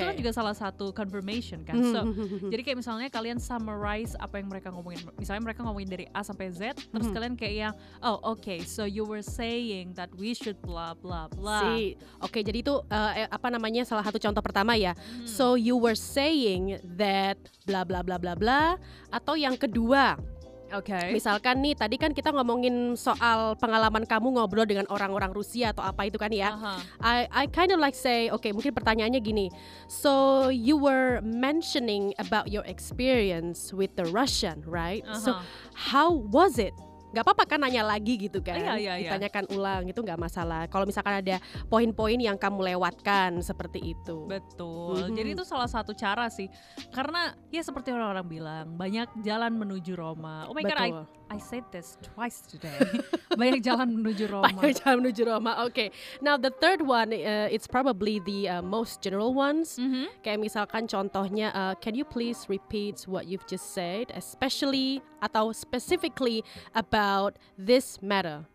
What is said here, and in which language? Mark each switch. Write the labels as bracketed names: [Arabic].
[Indonesian] Itu kan juga salah satu confirmation kan. So jadi kayak misalnya kalian summarize apa yang mereka ngomongin. Misalnya mereka ngomongin dari A sampai Z, terus kalian kayak yang, [English] oh okay, so you were saying that we should blah blah [Indonesian] blah. [English] See. [Indonesian] Okay, jadi itu apa namanya, salah satu contoh pertama ya. [English] So you were saying that blah blah blah blah blah. [Indonesian] Atau yang kedua. [English] Okay. [Indonesian] Misalkan nih, tadi kan kita ngomongin soal pengalaman kamu ngobrol dengan orang-orang Rusia atau apa itu kan ya. [English] I kind of like say, okay, [Indonesian] mungkin pertanyaannya gini. [English] So you were mentioning about your experience with the Russian, right? So how was it? [Indonesian] Gak apa-apa kan nanya lagi gitu kan, ditanyakan ulang, itu gak masalah. Kalau misalkan ada poin-poin yang kamu lewatkan seperti itu. Betul, jadi itu salah satu cara sih. Karena ya seperti orang-orang bilang, banyak jalan menuju Roma. [English] Oh my God, I said this twice today. [Indonesian] Banyak jalan menuju Roma. Banyak jalan menuju Roma, okay. [English] Now the third one, it's probably the most general ones. [Indonesian] Kayak misalkan contohnya, [English] can you please repeat what you've just said, especially atau specifically about this matter.